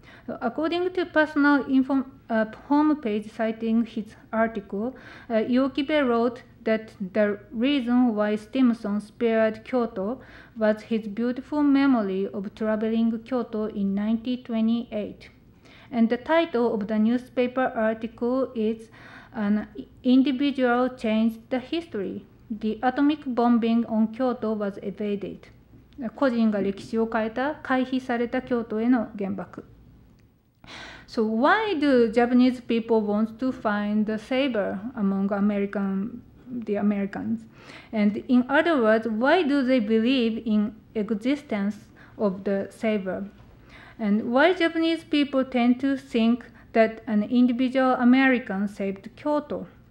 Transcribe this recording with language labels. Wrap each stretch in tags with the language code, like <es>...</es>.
<en>So according to personal homepage citing his article, Yokibe wrote that the reason why Stimson spared Kyoto was his beautiful memory of traveling Kyoto in 1928. And the title of the newspaper article is "An Individual Changed the History. The Atomic Bombing on Kyoto was Evaded."</en> <ja>個人が歴史を変えた、回避された京都への原爆。</ja> <en>So why do Japanese people want to find the saber among the Americans? And in other words, why do they believe in existence of the saber? And why Japanese people tend to think that an individual American saved Kyoto?</en>